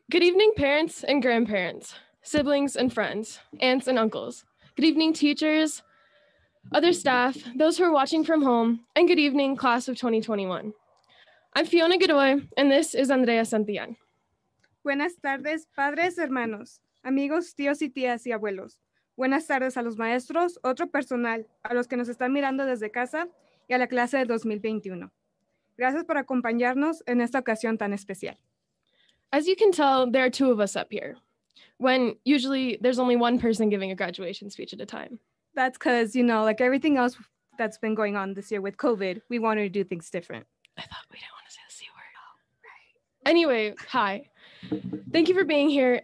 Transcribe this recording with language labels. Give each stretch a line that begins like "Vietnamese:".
English: Good evening, parents and grandparents, siblings and friends, aunts and uncles. Good evening, teachers, other staff, those who are watching from home, and good evening, class of 2021. I'm Fiona Godoy, and this is Andrea Santillán.
Spanish: Buenas tardes, padres, hermanos, amigos, tíos y tías y abuelos. Buenas tardes a los maestros, otro personal, a los que nos están mirando desde casa y a la clase de 2021. Gracias por acompañarnos en esta ocasión tan especial.
English: As you can tell, there are two of us up here, when usually there's only one person giving a graduation speech at a time. That's because, you know, like everything else that's been going on this year with COVID, we wanted to do things different. I thought we didn't want to say the C word. Oh, right. Anyway, hi. Thank you for being here.